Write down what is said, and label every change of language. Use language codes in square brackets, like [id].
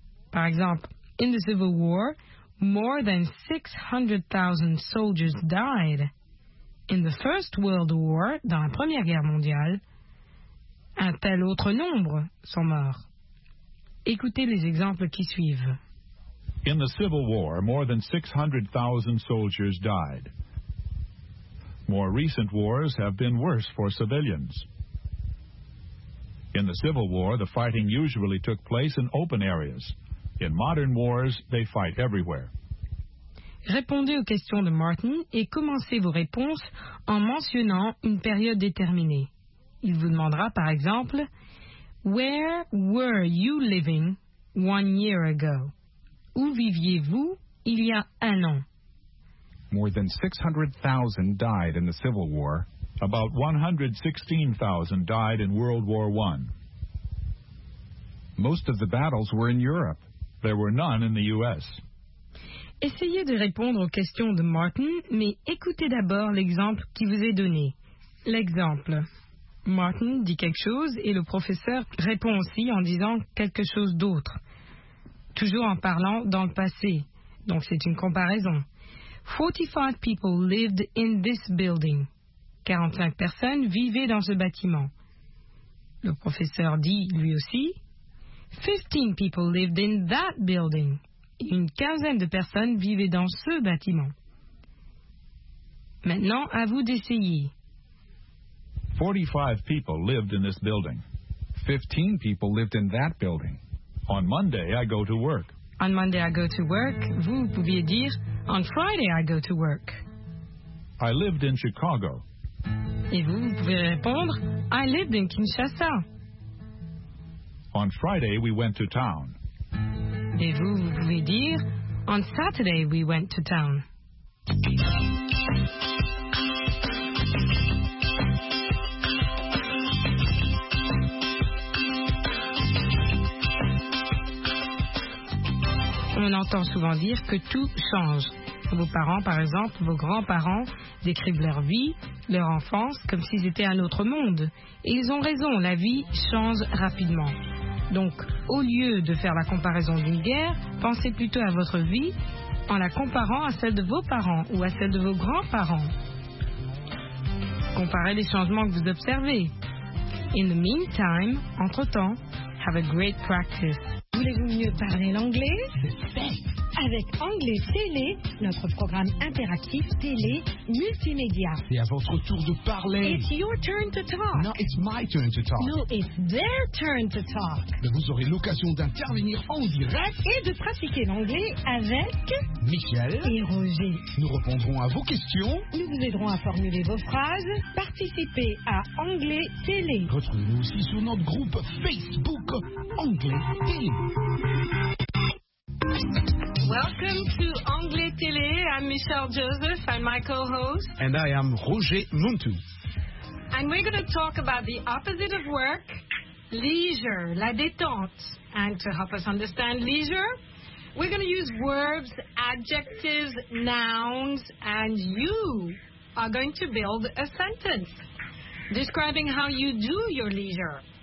[fr] Par exemple, [en] « In the Civil War, more than 600,000 soldiers died. In the First World War, [fr] dans la Première Guerre mondiale, un tel autre nombre sont morts. » Écoutez les exemples qui suivent. [en] In the Civil War, more than 600,000 soldiers died. More recent wars have been worse for civilians. In the Civil War, the fighting usually took place in open areas. In modern wars, they fight everywhere. [fr] Répondez aux questions de Martin et commencez vos réponses en mentionnant une période déterminée. Il vous demandera, par exemple, « [en] Where were you living 1 year ago? [fr] » Où viviez-vous il y a un an? [en] More than 600,000 died in the Civil War. About 116,000 died in World War I. Most of the battles were in Europe. There were none in the U.S. [fr] Essayez de répondre aux questions de Martin, mais écoutez d'abord l'exemple qui vous est donné. L'exemple... Martin dit quelque chose et le professeur répond aussi en disant quelque chose d'autre. Toujours en parlant dans le passé. Donc c'est une comparaison. [en] 45 people lived in this building. [fr] 45 personnes vivaient dans ce bâtiment. Le professeur dit lui aussi. [en] 15 people lived in that building. [fr] Une quinzaine de personnes vivaient dans ce bâtiment. Maintenant, à vous d'essayer. [en] 45 people lived in this building. 15 people lived in that building. On Monday, I go to work. On Monday, I go to work. [fr] Vous pouviez dire, [en] on Friday, I go to work. I lived in Chicago. [fr] Et vous pouvez répondre, [en] I lived in Kinshasa. On Friday, we went to town. [fr] Et vous pouvez dire, [en] on Saturday, we went to town. [fr] On entend souvent dire que tout change. Vos parents, par exemple, vos grands-parents décrivent leur vie leur enfance comme s'ils étaient un autre monde. Et ils ont raison, la vie change rapidement. Donc, au lieu de faire la comparaison d'une guerre, pensez plutôt à votre vie en la comparant à celle de vos parents ou à celle de vos grands-parents. Comparez les changements que vous observez. [en] In the meantime, [fr] entre-temps, [en] have a great practice. [fr] Voulez-vous mieux parler l'anglais? Avec Anglais Télé, notre programme interactif télé multimédia. C'est à votre tour de parler. [en] It's your turn to talk. No, it's my turn to talk. No, it's their turn to talk. [fr] Mais vous aurez l'occasion d'intervenir en direct et de pratiquer l'anglais avec Michel et Roger. Nous répondrons à vos questions. Nous vous aiderons à formuler vos phrases. Participez à Anglais Télé. Retrouvez-nous aussi sur notre groupe Facebook Anglais Télé. [en] Welcome to Anglais Télé. I'm Michelle Joseph. I'm my co-host. And I am Roger Muntou. And we're going to talk about the opposite of work, leisure, la détente. And to help us understand leisure, we're going to use verbs, adjectives, nouns, and you are going to build a sentence describing how you do your leisure.